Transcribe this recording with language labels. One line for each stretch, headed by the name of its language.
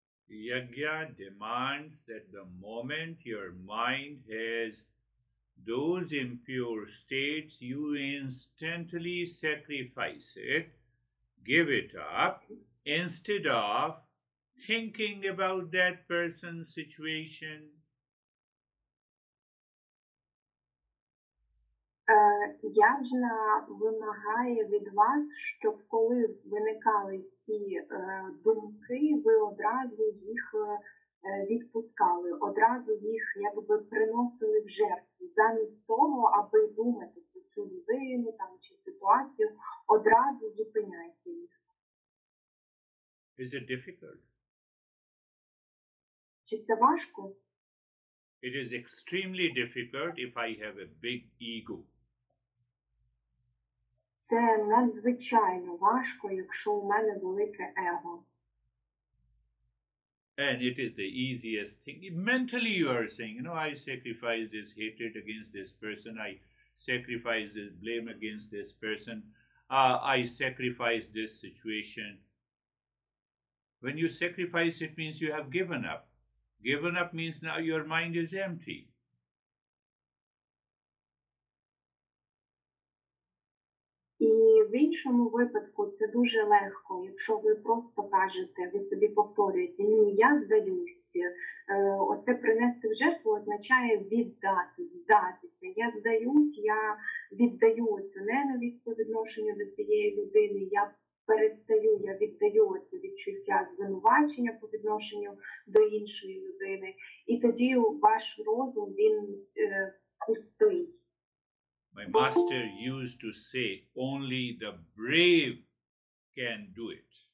English: Yajna demands that the moment your mind has those impure states, you instantly sacrifice it, give it up, instead of thinking about that person's situation.
Ukrainian: Yajna вимагає від вас, щоб коли виникали ці думки, ви одразу їх відпускали, одразу їх якби приносили в жертву. Замість того, аби думати про цю людину там чи ситуацію, одразу зупиняйте їх.
English: Is it difficult?
Ukrainian: Чи це важко?
English: It is extremely difficult if I have a big ego.
Ukrainian: Це надзвичайно важко, якщо у мене велике его.
English: And it is the easiest thing. Mentally you are saying, you know, I sacrifice this hatred against this person. I sacrifice this blame against this person. I sacrifice this situation. When you sacrifice, it means you have given up. Given up means now your mind is empty.
Ukrainian: І в іншому випадку це дуже легко, якщо ви просто кажете, ви собі повторюєте, ні, я здаюся. Оце принести в жертву означає віддати, здатися. Я здаюсь, я віддаю цю ненависть по відношенню до цієї людини, я перестаю, я віддаю це відчуття звинувачення по відношенню до іншої людини. І тоді ваш розум, він пустий.
English: My master used to say, only the brave can do it.